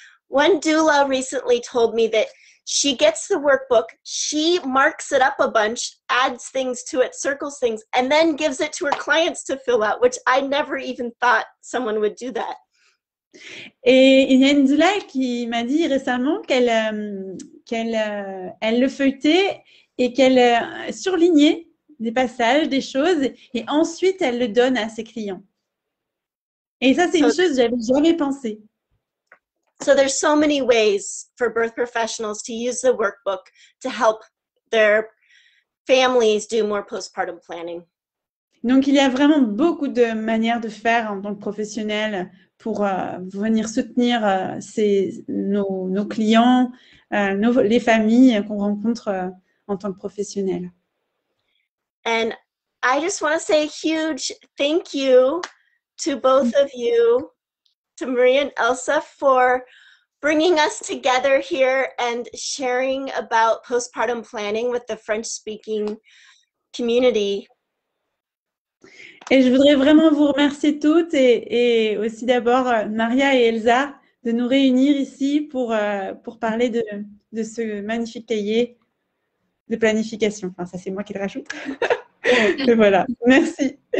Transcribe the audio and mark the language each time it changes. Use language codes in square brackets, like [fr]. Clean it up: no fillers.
[en] One doula recently told me that she gets the workbook, she marks it up a bunch, adds things to it, circles things, and then gives it to her clients to fill out, which I never even thought someone would do that. [fr] Et il y a une doula qui m'a dit récemment qu'elle le feuilletait et qu'elle surlignait des passages, des choses, et ensuite elle le donne à ses clients. Et ça, c'est une chose que j'avais jamais pensé. [en] So there's so many ways for birth professionals to use the workbook to help their families do more postpartum planning. [fr] Donc il y a vraiment beaucoup de manières de faire en tant que professionnel pour venir soutenir nos clients, les familles qu'on rencontre en tant que professionnel. [en] And I just want to say a huge thank you to both of you, to Maria and Elsa, for bringing us together here and sharing about postpartum planning with the French-speaking community. [fr] Et je voudrais vraiment vous remercier toutes et aussi d'abord Maria et Elsa de nous réunir ici pour parler de ce magnifique cahier de planification. Enfin, ça, c'est moi qui le rajoute. Et voilà. Merci.